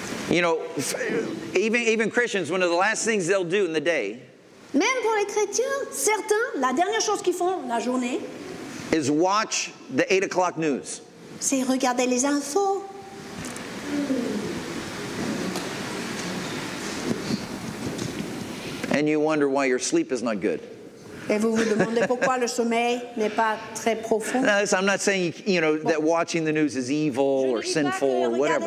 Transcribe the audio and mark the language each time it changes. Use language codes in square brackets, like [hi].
[en] You know, even Christians, one of the last things they'll do in the day, [fr] même pour les chrétiens, certains, la dernière chose qu'ils font la journée, [en] is watch the 8 o'clock news. [fr] C'est regarder les infos. [en] And you wonder why your sleep is not good. [fr] Et vous vous demandez pourquoi le sommeil n'est pas très profond. [en] Now, listen, I'm not saying, you know, that watching the news is evil or sinful or whatever.